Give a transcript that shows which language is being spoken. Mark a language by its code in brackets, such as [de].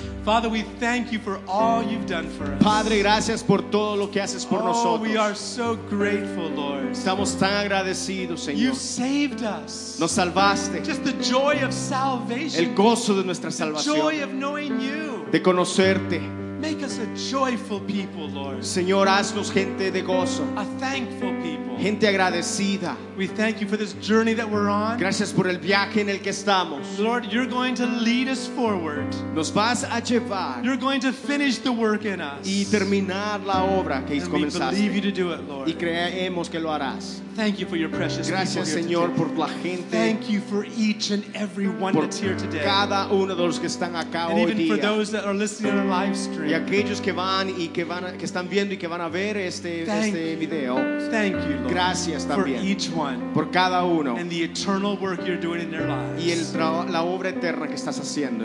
[en] Father, we thank you for all you've done for us. [es] Padre, gracias por todo lo que haces por nosotros. [en] Oh, we are so grateful, Lord. [es] Estamos tan agradecidos, Señor. [en] You saved us. [es] Nos salvaste. [en] Just the joy of salvation. [es] El gozo de nuestra salvación. [en] The joy of knowing you. [es] De conocerte. [en] Make us a joyful people, Lord. [es] Señor, haznos gente de gozo. [en] A thankful people. [es] Gente agradecida. [en] We thank you for this journey that we're on. [es] Gracias por el viaje en el que estamos. [en] Lord, you're going to lead us forward. [es] Nos vas a llevar. [en] You're going to finish the work in us. [es] Y terminar la obra que [en] and [es] comenzaste. [en] And we believe you to do it, Lord. [es] Y creemos que lo harás. [en] Thank you for your precious [es] gracias, [en] people [es] Señor, [en] here today. [es] Gracias, Señor, por la gente. [en] Thank you for each and every one that's here today. [es] Cada uno de los que están acá [en] and [es] hoy [en] even [es] día. [en] For those that are listening on our live stream. [es] Y aquellos que van y que van que están viendo y que van a ver este video. [en] Thank you, Lord. [es] Gracias también. [en] For each one. [es] Por cada uno. [en] And the eternal work you're doing in their lives. [es] Y la obra eterna que estás haciendo